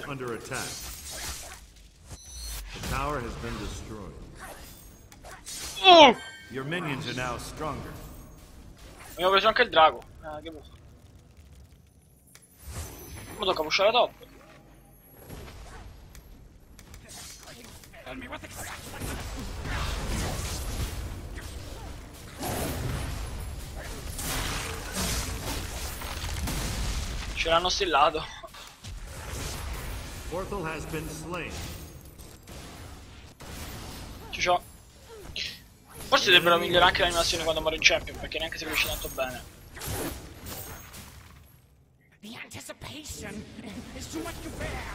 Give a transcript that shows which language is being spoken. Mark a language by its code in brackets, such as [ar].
[en] The tower has been destroyed. Your minions are now stronger. [it] Mi ho preso anche il drago. Ah, che buffo. Mi tocca pushare la top. Ce l'hanno stillato. [en] Portal has been slain. [it] Ciao. Forse dovrebbero migliorare anche l'animazione quando muore il champion, perché neanche si riesce tanto bene. [en] The anticipation is too much to bear.